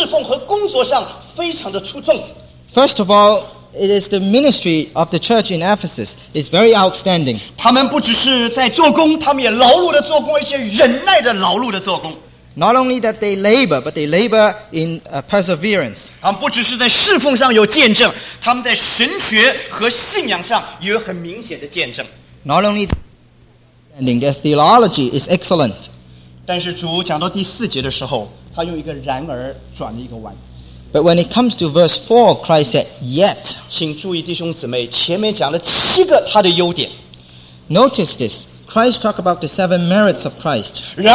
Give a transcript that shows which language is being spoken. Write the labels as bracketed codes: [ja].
[zh] 一方面是讲到以弗所教会在侍奉和工作上非常的出众。 [en] First of all, it is the ministry of the church in Ephesus. It's very outstanding. [zh] 他们不只是在做工, 他们也劳碌地做工, 而且忍耐地劳碌地做工。 [en] Not only that they labor, but they labor in perseverance. [zh] 他们不只是在侍奉上有见证, 他们在神学和信仰上也有很明显的见证。 [en] Not only that, their theology is excellent. [zh] 但是主讲到第四节的时候, 他用一个然而转了一个弯。 [en] But when it comes to verse 4, Christ said, yet. [zh] 请注意弟兄姊妹, 前面讲了七个他的优点。 [en] Notice this. Christ talked about the seven merits of Christ.